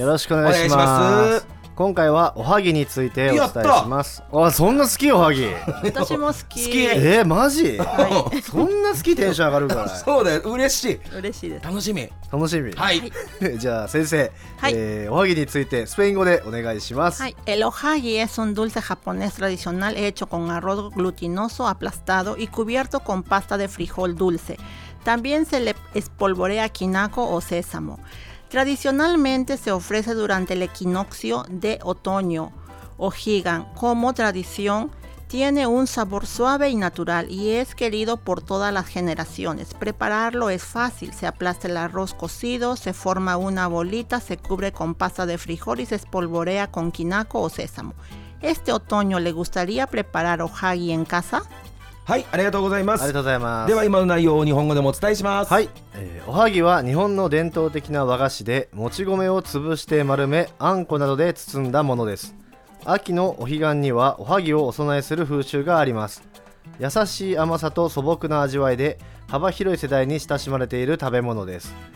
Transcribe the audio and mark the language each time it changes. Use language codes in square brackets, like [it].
[ja] よろしくお願いします。今回はおはぎについてお伝えします。あ、そんな好きおはぎ私も好き。好き、マジ、はい、そんな好き、テンション上がるから。そうだよ、嬉しい、嬉しいです。楽しみ楽しみ、はい。じゃあ先生、はい、おはぎについてスペイン語でお願いします。 [es] はい、おはぎ es un dulce japonés tradicional hecho con arroz glutinoso aplastado y cubierto con pasta de frijol dulce. También se le espolvorea kinako o sésamo. Tradicionalmente se ofrece durante el equinoccio de otoño o hígan. Como tradición, tiene un sabor suave y natural y es querido por todas las generaciones. Prepararlo es fácil. Se aplasta el arroz cocido, se forma una bolita, se cubre con pasta de frijol y se espolvorea con kinako o sésamo. ¿Este otoño le gustaría preparar ohagi en casa? [ja] はい、ありがとうございます。ありがとうございます。では今の内容を日本語でもお伝えします。はい、おはぎは日本の伝統的な和菓子で、もち米を潰して丸め、あんこなどで包んだものです。秋のお彼岸にはおはぎをお供えする風習があります。優しい甘さと素朴な味わいで、幅広い世代に親しまれている食べ物です。